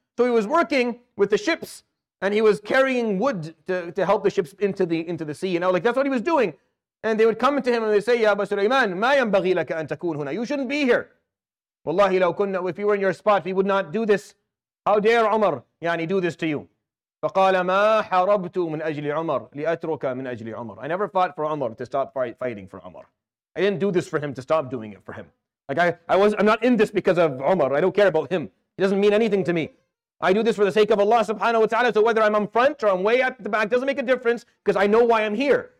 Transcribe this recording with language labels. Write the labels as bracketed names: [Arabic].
[English] So he was working with the ships and he was carrying wood to help the ships into the sea. You know, like that's what he was doing. And they would come to him and they'd say, [Arabic] Ya Abu Sulaiman, ma yanbaghi laka an takun huna. [English] You shouldn't be here. [Arabic] Wallahi law kunna, [English] if you were in your spot, we would not do this. How dare Umar, yani, do this to you? [Arabic] فقال ما حربت من أجل عمر لأترك من أجل عمر. [English] I never fought for Umar to stop fighting for Umar. I didn't do this for him to stop doing it for him. Like I'm not in this because of Umar. I don't care about him. He doesn't mean anything to me. I do this for the sake of Allah subhanahu wa ta'ala. So whether I'm on front or I'm way at the back, doesn't make a difference because I know why I'm here.